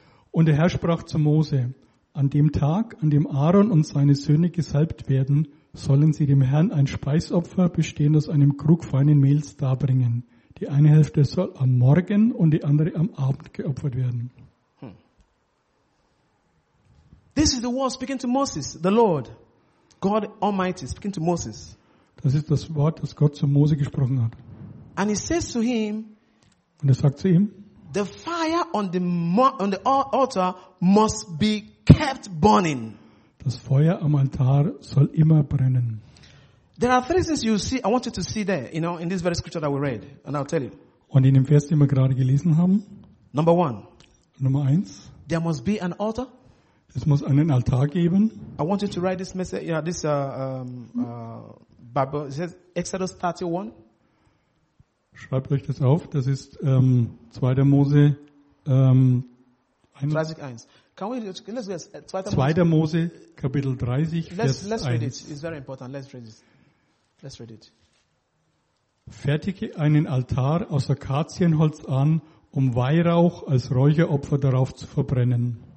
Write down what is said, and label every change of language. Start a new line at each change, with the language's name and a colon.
German: Und der Herr sprach zu Mose, an dem Tag, an dem Aaron und seine Söhne gesalbt werden, sollen sie dem Herrn ein Speisopfer bestehend aus einem Krug feinen Mehls darbringen. Die eine Hälfte soll am Morgen und die andere am Abend geopfert werden.
English: This is the word speaking to Moses, the Lord, God Almighty, speaking to Moses.
German: Das ist das Wort, das Gott zu Mose gesprochen hat.
English: And he says to him,
German: und er sagt zu ihm,
English: the fire on the altar must be kept burning.
German: Das Feuer am Altar soll immer brennen.
English: There are three things you see, I want you to see there, you know, in this very scripture that we read, and I'll tell you.
German: Und in dem Vers, den wir gerade gelesen haben.
English: Number one.
German: Nummer eins.
English: There must be an altar.
German: Es muss einen Altar geben.
English: I want you to write this message, you know, this Bible, it says Exodus 31.
German: Schreibt euch das auf, das ist 2. Mose 2. Mose Kapitel 30 Vers 1.
English: Let's read it. It's very important. Let's read it.
German: Fertige einen Altar aus Akazienholz an, um Weihrauch als Räucheropfer darauf zu verbrennen.